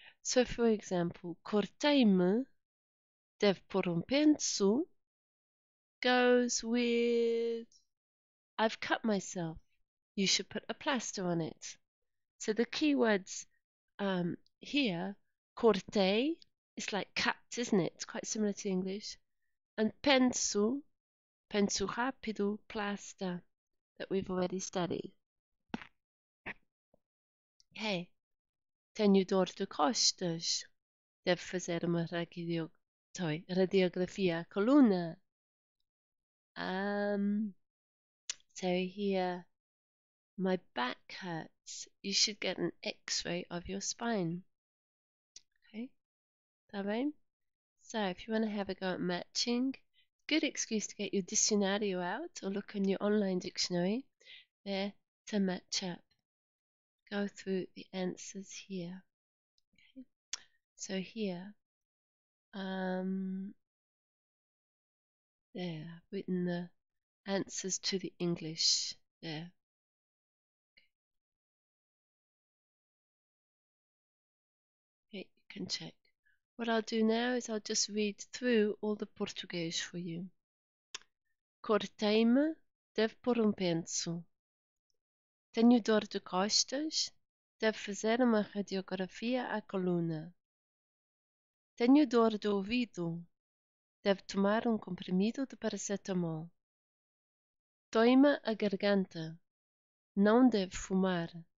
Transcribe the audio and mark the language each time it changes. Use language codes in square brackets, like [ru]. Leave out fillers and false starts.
[en] So for example, [pt] cortei-me, deve pôr penso, [en] goes with, I've cut myself, you should put a plaster on it. So the key words here, cortei, it's like cut, isn't it? It's quite similar to English. And penso, [pt] penso rápido, [en] plaster, that we've already studied. [pt] Hey, tenho dor de costas, devo fazer uma radiografia à coluna. [en] So here, My back hurts. You should get an x-ray of your spine. Okay, [pt] está bem? [en] So, if you want to have a go at matching, good excuse to get your dicionario out or look in your online dictionary there to match up. Go through the answers here. Okay. So here, there, I've written the answers to the English there. Okay, you can check. What I'll do now is I'll just read through all the Portuguese for you. [pt] Cortei-me, deve pôr penso. Tenho dor de costas, deve fazer uma radiografia à coluna. Tenho dor de ouvido, deve tomar comprimido de paracetamol. Dói-me a garganta, não deve fumar.